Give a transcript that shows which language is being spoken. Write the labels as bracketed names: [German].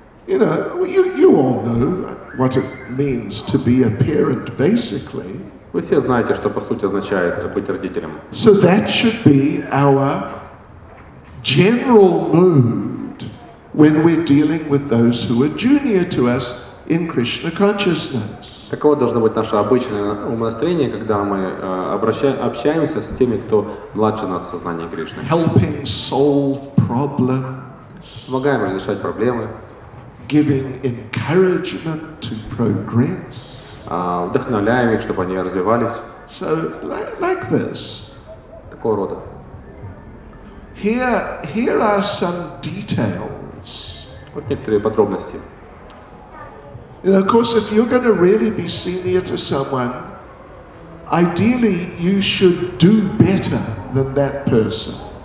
[English] You know, you all know what it means to be a parent, basically. [Russian] Вы все знаете, что по сути означает быть родителем. [English] So that should be our general mood when we're dealing with those who are junior to us in Krishna consciousness. [Russian] Таково должно быть наше обычное умонастроение, когда мы общаемся с теми, кто младше нас в сознании Кришны. [English] Helping solve problems. [Russian] Помогаем разрешать проблемы. [English] Giving encouragement to progress. [Russian] Вдохновляем их, чтобы они развивались. [English] So, like this. [Russian] Такого рода. [English] Here are some details. [Russian] Вот некоторые подробности. [English] You know, of course, if you're going to really be senior to someone, ideally you should do better than that person.